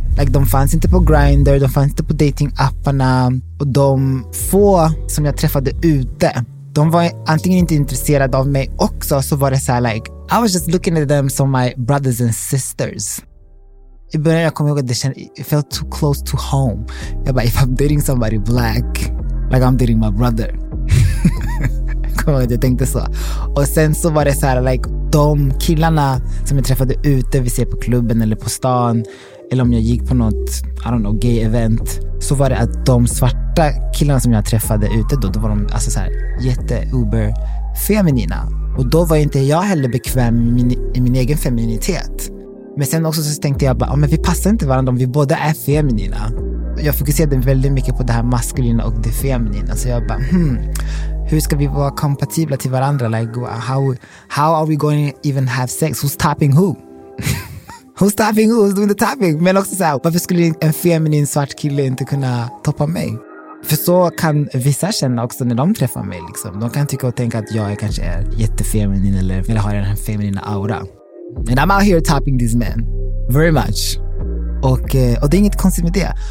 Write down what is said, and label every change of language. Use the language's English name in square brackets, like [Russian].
[Swedish] Like, de fanns inte på Grindr, de fanns inte på datingapparna. Och de få som jag träffade ute, de var antingen inte intresserade av mig också. Så var det så här, [English] like, I was just looking at them [Swedish] som [English] my brothers and sisters. [Swedish] I början jag kommer ihåg att det kändes, [English] it felt too close to home. [Swedish] Jag bara, [English] if I'm dating somebody black, like I'm dating my brother. [Swedish] Jag tänkte så. Och sen så var det så här, like, de killarna som jag träffade ute, vi ser på klubben eller på stan, eller om jag gick på något, [English] I don't know, gay event, [Swedish] så var det att de svarta killarna som jag träffade ute då var de alltså så här, jätte uber feminina. Och då var inte jag heller bekväm i min egen femininitet. Men sen också så tänkte jag bara, men vi passar inte varandra om vi båda är feminina. Jag fokuserade väldigt mycket på det här maskulina och det feminina. Så jag bara, hur ska vi vara kompatibla till varandra? [English] Like, how are we going to even have sex? Who's tapping who? Who's tapping who? Who's doing the tapping? [Swedish] Men också så här, varför skulle en feminin svart kille inte kunna toppa mig? För så kan vissa känna också när de träffar mig. Liksom. De kan tycka och tänka att jag kanske är jättefeminin eller vill ha den här feminina aura. [English] And I'm out here tapping these men. Very much. [Swedish] Och det är inget konstigt med det.